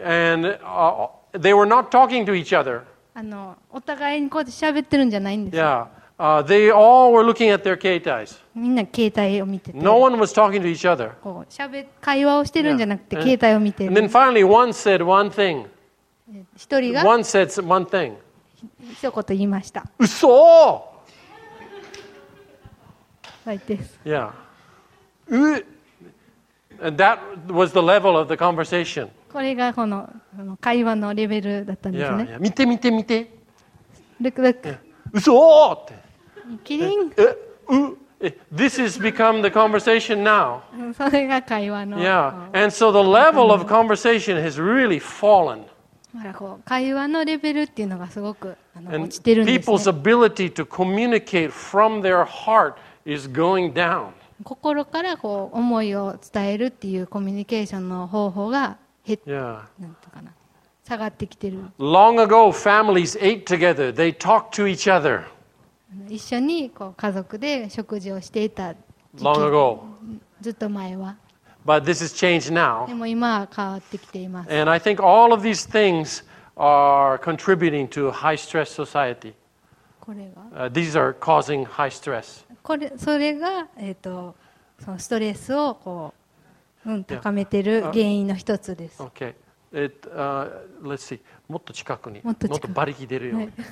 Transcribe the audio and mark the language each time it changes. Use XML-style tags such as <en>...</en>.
<en>And, they were not talking to each other.</en> <ja>お互いにこうやって喋ってるんじゃないんです。</ja> <en>Yeah. They all were looking at their 携帯。</en> <ja>みんな携帯を見てて。</ja> <en>No one was talking to each other.</en> <ja>こう、会話をしてるんじゃなくて、携帯を見てる。</ja> <en>And then finally, one said one thing.</en> <ja>一人が。</ja> <en>One said one thing.</en> <ja>一言言いました。嘘。はいです。</ja> <en>Yeah. And that was the level of the conversation.</en> <ja>これがこの会話のレベルだったんですね。いや、見て見て見て。ルクルク。嘘って。キリン。え、う、</ja> <en>This has become the conversation now.</en> <ja>それが会話の。</ja> <en>Yeah. And so the level of conversation has really fallen.</en> <ja>こう会話のレベルっていうのがすごく落ちてるんですね。</ja> <en>People's ability to communicate from their heart is going down.</en> <ja>心からこう思いを伝えるっていうコミュニケーションの方法が減っ、なんとかな。下がってきてる。</ja> <en>Long ago, families ate together. They talked to each other.</en> <ja>一緒にこう家族で食事をしていた時</ja> <en>期。Long ago.</en> <ja>ずっと前は。</ja> <en>But this has changed now.</en> <ja>でも今は変わってきています。</ja> <en>And I think all of these things are contributing to high stress society.</en> <ja>これが。</ja> <en>These are causing high stress.</en> <ja>これそれがそのストレスをこう、高めてる原因の一つです。</ja> <en>Yeah. Okay. Let's see.</en> <ja>もっと近くに、もっと馬力出るように。</ja>